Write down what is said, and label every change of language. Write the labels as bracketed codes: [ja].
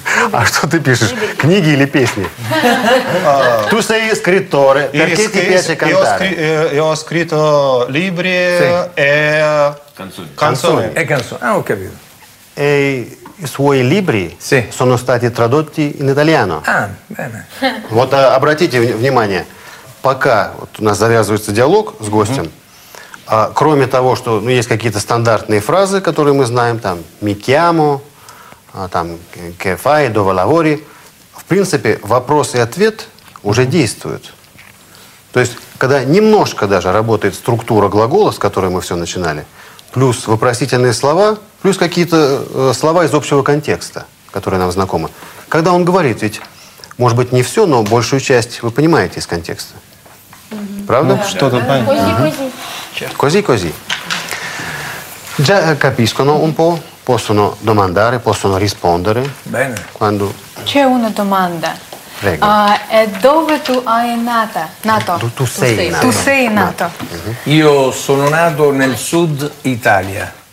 [ru] А что ты пишешь? Книги или песни? [it] Tu sei scrittore, perché ti piace cantare? Io ho scritto libri e canzoni. E canzoni. Ah, ho capito. E i suoi libri sì. sono stati tradotti in italiano. Ah, bene. [ru] Вот обратите внимание, пока вот у нас завязывается диалог с гостем, а кроме того, что ну, есть какие-то стандартные фразы, которые мы знаем, там «микиамо», там «кефай», «дова лавори», в принципе, вопрос и ответ уже действуют. То есть, когда немножко даже работает структура глагола, с которой мы все начинали, плюс вопросительные слова, плюс какие-то слова из общего контекста, которые нам знакомы. Когда он говорит, ведь, может быть, не все, но большую часть вы понимаете из контекста. Правда? Ну, что-то понятно. [it] Così. Già capiscono un po', possono domandare, possono rispondere. Bene. Quando... C'è una domanda. Prego. E dove tu hai nato? Tu sei nato. Tu sei nato. Io sono nato nel sud Italia.